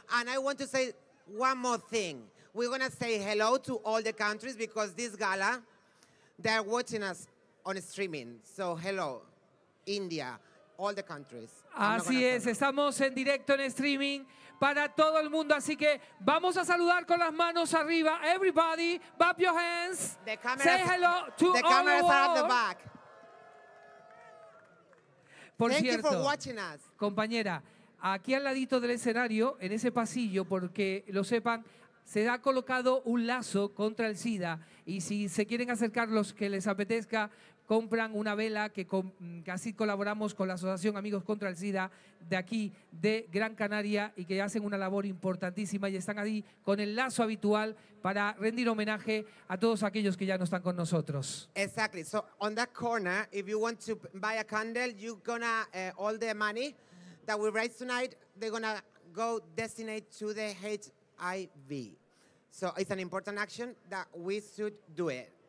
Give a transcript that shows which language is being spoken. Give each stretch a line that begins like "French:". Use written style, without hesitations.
English: And I want to say one more thing. We're going to say hello to all the countries because this gala, they're watching us on streaming. So hello, India. All the countries.
Spanish: Así es, estamos en directo en streaming para todo el mundo, así que vamos a saludar con las manos arriba.
English: Everybody, bump your hands. Say hello to all the world. The cameras are at the back.
Spanish: Por
English: Thank
Spanish: cierto,
English: you for watching us.
Spanish: Compañera, aquí al ladito del escenario, en ese pasillo, porque lo sepan, se ha colocado un lazo contra el SIDA y si se quieren acercar los que les apetezca, compran una vela que así colaboramos con la Asociación Amigos contra el SIDA de aquí, de Gran Canaria, y que hacen una labor importantísima y están ahí con el lazo habitual para rendir homenaje a todos aquellos que ya no están con nosotros.
English: Exactly. So, on that corner, if you want to buy a candle, you're gonna, all the money that we raise tonight, they're gonna go destined to the HIV. So it's an important action that we should do it.